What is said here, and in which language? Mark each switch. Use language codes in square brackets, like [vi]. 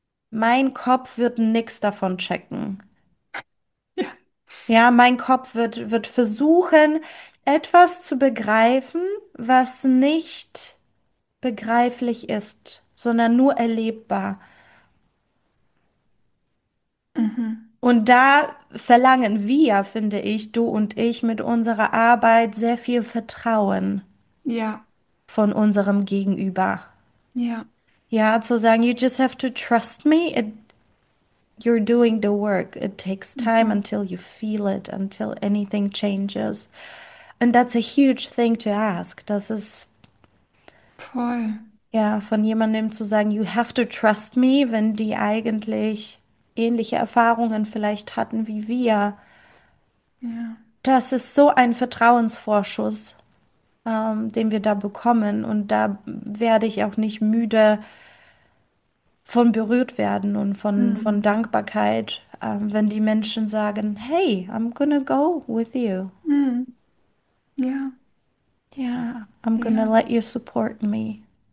[de] Mein Kopf wird nichts davon checken. Ja, mein Kopf wird versuchen, etwas zu begreifen, was nicht begreiflich ist, sondern nur erlebbar. Und da verlangen wir, finde ich, du und ich, mit unserer Arbeit sehr viel Vertrauen von unserem Gegenüber. Ja, zu sagen, [en] you just have to trust me, you're doing the work. It takes time until you feel it, until anything changes. And that's a huge thing to ask. [de] Das ist, ja, von jemandem zu sagen, [en] you have to trust me, [de] wenn die eigentlich ähnliche Erfahrungen vielleicht hatten wie wir. Das ist so ein Vertrauensvorschuss, den wir da bekommen. Und da werde ich auch nicht müde von berührt werden und von Dankbarkeit, wenn die Menschen sagen, [en] hey, I'm gonna go with you. Yeah, I'm gonna let you support me.